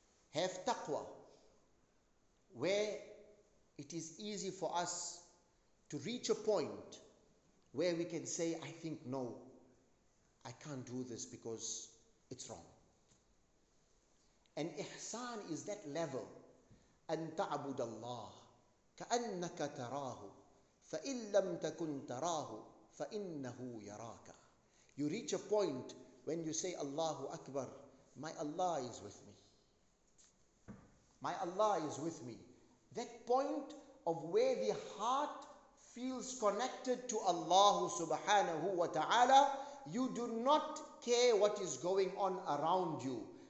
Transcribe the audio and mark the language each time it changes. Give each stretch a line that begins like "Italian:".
English: Have taqwa, where it is easy for us to reach a point where we can say, I think, no, I can't do this because it's wrong. And ihsan is that level.
Arabic: أن تعبد الله كأنك تراه فإن لم تكن تراه فإنه يراك.
English: You reach a point when you say Allahu Akbar, my Allah is with me. My Allah is with me. That point of where the heart feels connected to Allah subhanahu wa ta'ala, you do not care what is going on around you.